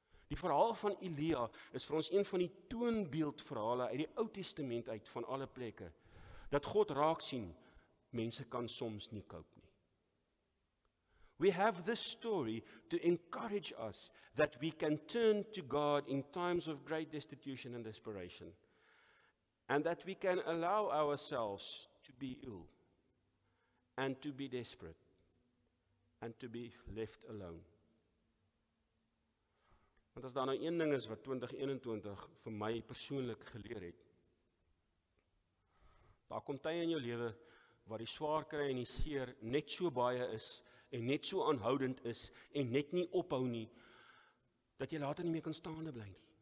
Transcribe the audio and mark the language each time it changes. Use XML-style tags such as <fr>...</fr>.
<af>Die verhaal van Elia is vir ons een van die toonbeeldverhale uit die Ou Testament uit van alle plekke, dat God raak sien, mense kan soms nie koop nie.</af> <en>We have this story to encourage us that we can turn to God in times of great destitution and desperation, and that we can allow ourselves to be ill and to be desperate and to be left alone.</en> <af>Want as daar nou een ding is wat 2021 vir my persoonlik geleer het, daar kom tye in jou lewe waar die swaar kry en die seer net so baie is en net so aanhoudend is en net nie ophou nie, dat jy later nie meer kan staande bly nie.</af>